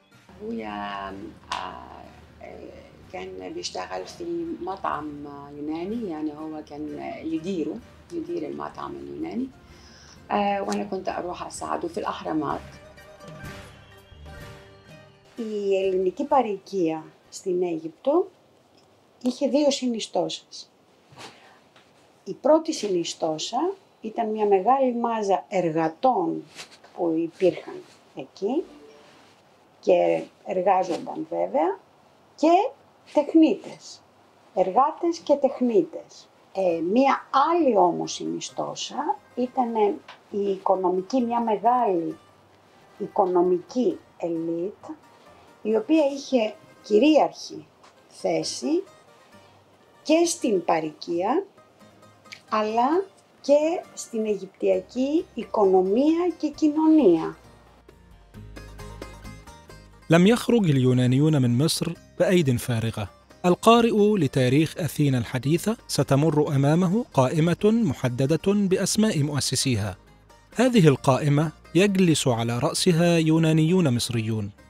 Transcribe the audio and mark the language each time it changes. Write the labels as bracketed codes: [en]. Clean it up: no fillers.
[ar] ابويا كان بيشتغل في مطعم يوناني يعني هو كان يدير المطعم اليوناني وأنا كنت أروح أساعده في الأهرامات. [el] Η ελληνική παροικία στην Αίγυπτο είχε δύο συνιστώσεις. Η πρώτη συνιστώσα ήταν μια μεγάλη μάζα εργατών που υπήρχαν εκεί και εργάζονταν βέβαια και τεχνίτες, εργάτες και τεχνίτες. Μια άλλη όμως συνιστώσα ήταν η οικονομική, μια μεγάλη οικονομική ελίτ, η οποία είχε κυρίαρχη θέση και στην παροικία, αλλά και στην αιγυπτιακή οικονομία και κοινωνία. [ar] لم يخرج اليونانيون من مصر بأيد فارغة. القارئ لتاريخ أثينا الحديثة ستمر أمامه قائمة محددة بأسماء مؤسسيها. هذه القائمة يجلس على رأسها يونانيون مصريون.